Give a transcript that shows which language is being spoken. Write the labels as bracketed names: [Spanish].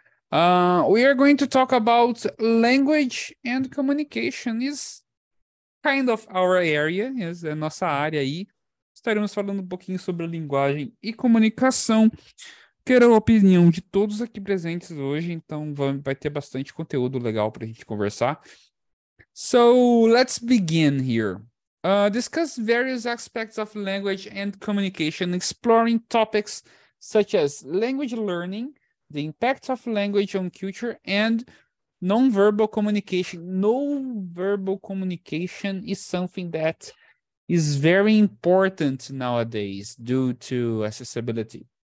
[English] We are going to talk about language and communication. Is kind of our area, yes, [Portuguese] é nossa área aí. Estaremos falando um pouquinho sobre linguagem e comunicação. Quero a opinião de todos aqui presentes hoje, então vai ter bastante conteúdo legal para a gente conversar. [English] So, let's begin here. Discuss various aspects of language and communication, exploring topics such as language learning, the impact of language on culture, and non-verbal communication. Non-verbal communication is something that is very important nowadays due to accessibility.